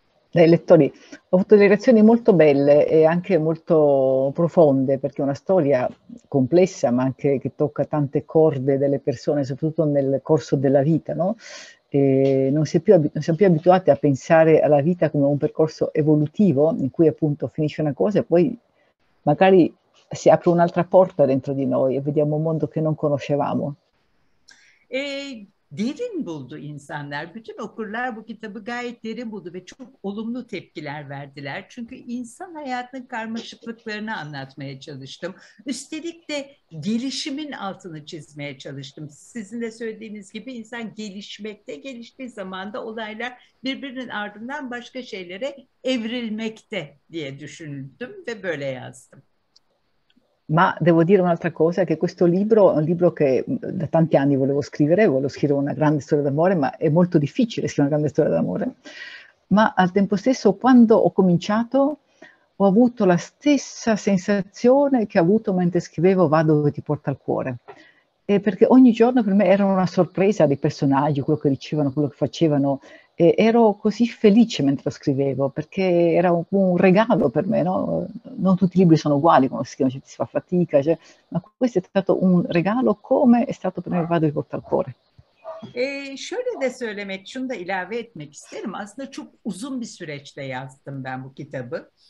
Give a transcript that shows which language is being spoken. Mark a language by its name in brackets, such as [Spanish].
[Italian] Dai lettori, ho avuto delle reazioni molto belle e anche molto profonde, perché è una storia complessa, ma anche che tocca tante corde delle persone, soprattutto nel corso della vita, no? E non siamo più abituati a pensare alla vita come un percorso evolutivo, in cui appunto finisce una cosa e poi magari si apre un'altra porta dentro di noi e vediamo un mondo che non conoscevamo. [Turkish] Derin buldu insanlar, bütün okurlar bu kitabı gayet derin buldu ve çok olumlu tepkiler verdiler. Çünkü insan hayatının karmaşıklıklarını anlatmaya çalıştım. Üstelik de gelişimin altını çizmeye çalıştım. Sizin de söylediğiniz gibi insan gelişmekte, geliştiği zaman da olaylar birbirinin ardından başka şeylere evrilmekte diye düşündüm ve böyle yazdım. [Italian] Ma devo dire un'altra cosa, che questo libro è un libro che da tanti anni volevo scrivere una grande storia d'amore, ma è molto difficile scrivere una grande storia d'amore. Ma al tempo stesso, quando ho cominciato, ho avuto la stessa sensazione che ho avuto mentre scrivevo Vado dove ti porta il cuore. E perché ogni giorno per me era una sorpresa dei personaggi, quello che dicevano, quello che facevano. E ero così felice mentre lo scrivevo, perché era un regalo per me, no? Non tutti i libri sono uguali, come si chiama, si fa fatica, cioè, ma questo è stato un regalo, come è stato per me Vado di porta al cuore. [Turkish] E şöyle de söylemek, şunu da ilave etmek isterim. Aslında çok uzun bir süreçte yazdım ben bu kitabı.